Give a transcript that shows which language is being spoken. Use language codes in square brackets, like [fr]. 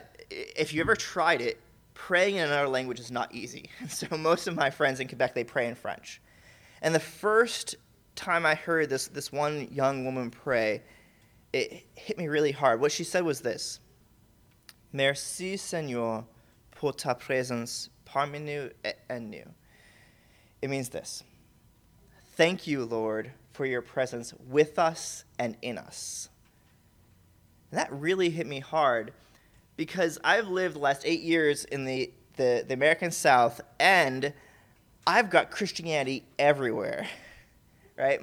[en] If you ever tried it, praying in another language is not easy. So most of my friends in Quebec, they pray in French. And the first time I heard this one young woman pray, it hit me really hard. What she said was this: [fr] "Merci, Seigneur, pour ta présence parmi nous et en nous." [en] It means this: thank you, Lord, for your presence with us and in us. And that really hit me hard because I've lived the last 8 years in the American South, and I've got Christianity everywhere, right?